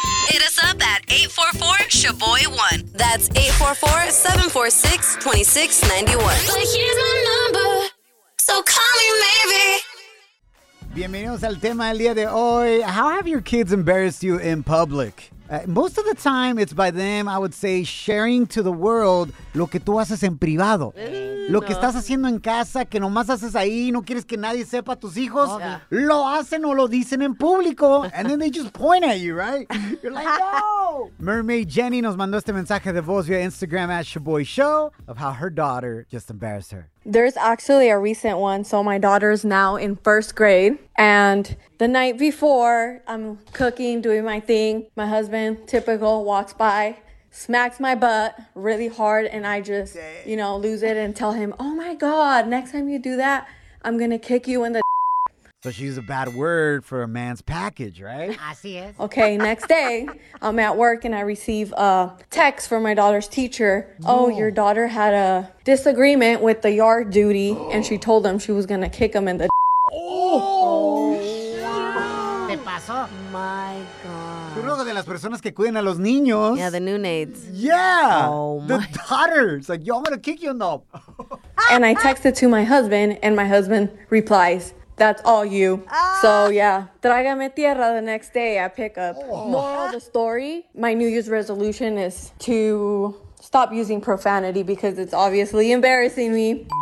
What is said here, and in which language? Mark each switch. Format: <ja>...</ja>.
<en>Hit us up at 844-SHABOY1. That's 844-746-2691. But here's my number. So call me, maybe.</en> <es>Bienvenidos al tema del día de hoy.</es> <en>How have your kids embarrassed you in public? Most of the time, it's by them, I would say, sharing to the world</en> <es>lo que tú haces en privado. Lo que estás haciendo en casa, que nomás haces ahí, no quieres que nadie sepa tus hijos, lo hacen o lo dicen en público.</es> <en>And then they just point at you, right? You're like, no. Mermaid Jenny</en> <es>nos mandó este mensaje de voz</es> <en>via Instagram at Shaboy Show of how her daughter just embarrassed her. There's actually a recent one. So my daughter's now in first grade. And the night before, I'm cooking, doing my thing. My husband, typical, walks by, smacks my butt really hard. And I just, you know, lose it and tell him, oh, my God, next time you do that, I'm going to kick you in the. So she used a bad word for a man's package, right? I see it. Okay, next day, I'm at work and I receive a text from my daughter's teacher. Oh, your daughter had a disagreement with the yard duty and she told them she was going to kick him in the.</en> <es>¿Te pasó?</es> <en>My God.</en> <es>Tú luego de las personas que cuiden a los niños.</es> <en>Yeah, the noonades. Yeah. Oh, the my. The daughters. Like, yo, I'm going to kick you in the. And I texted to my husband and my husband replies, that's all you. So, yeah.</en> <es>Trágame tierra</es> <en>the next day at pickup. Oh. Moral of the story, my New Year's resolution is to stop using profanity because it's obviously embarrassing me.</en>